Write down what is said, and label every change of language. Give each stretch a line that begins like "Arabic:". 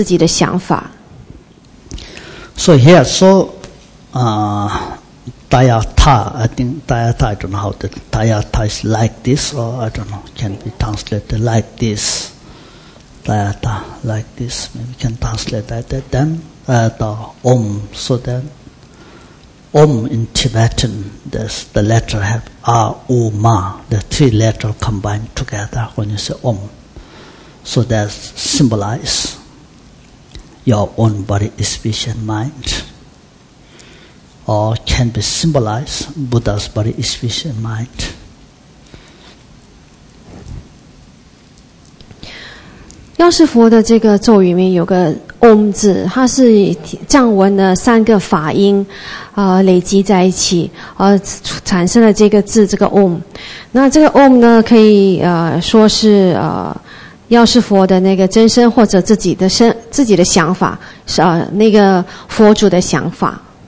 Chinese: 那这个药师佛的咒语最后呢，有一个字叫梭哈，梭哈呢就是告诉自己要审视自己的那个观念、自己的想法。
English: So here, so, Dayata, I don't know how the Dayata is like this, or I don't know, can be translated like this. Dayata, like this, maybe can translate that. Then, the Om, so then. Om in Tibetan, there's the letter have A, U, Ma, the three letters combined together when you say Om. So that symbolize your own body, speech, and mind. Or can be symbolized Buddha's body, speech, and mind.
Chinese: 药师佛的这个咒语里面有个 Om 字，它是藏文的三个法音累积在一起，产生了这个字，这个 Om。那这个 Om 呢，可以说是药师佛的那个真身或者自己的想法，是那个佛祖的想法。